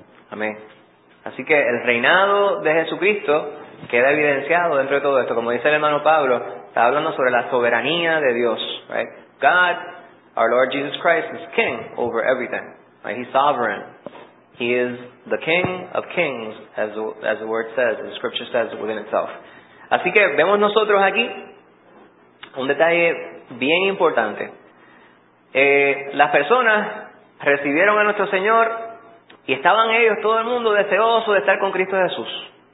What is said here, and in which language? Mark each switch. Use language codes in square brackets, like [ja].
[es] Amén. Así que el reinado de Jesucristo queda evidenciado dentro de todo esto. Como dice el hermano Pablo, está hablando sobre la soberanía de Dios. [en] Right? God, our Lord Jesus Christ, is king over everything. Right? He's sovereign. He is the king of kings, as the word says, as the scripture says within itself. [es] Así que vemos nosotros aquí un detalle bien importante. Las personas recibieron a nuestro Señor y estaban ellos, todo el mundo, deseoso de estar con Cristo Jesús.